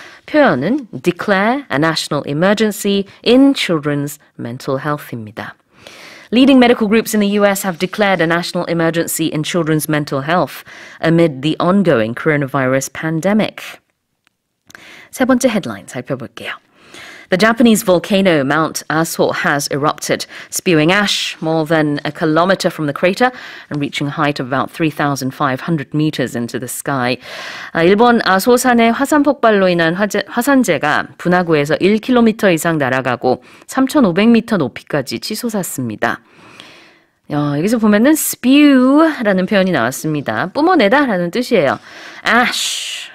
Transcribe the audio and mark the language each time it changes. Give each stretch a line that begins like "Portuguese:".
English: 표현은 declare a national emergency in children's mental health입니다. Leading medical groups in the U.S. have declared a national emergency in children's mental health amid the ongoing coronavirus pandemic.
Korean: 세 번째 헤드라인 살펴볼게요.
English: The Japanese volcano Mount Aso has erupted, spewing ash more than a kilometer from the crater and reaching a height of about 3,500 meters into the sky.
Korean: 일본 아소산의 화산 폭발로 인한 화산재가 분화구에서 1km 이상 날아가고 3,500m 높이까지 치솟았습니다. 여기서 보면은 spew라는 표현이 나왔습니다. 뿜어내다라는 뜻이에요.
English: Ash.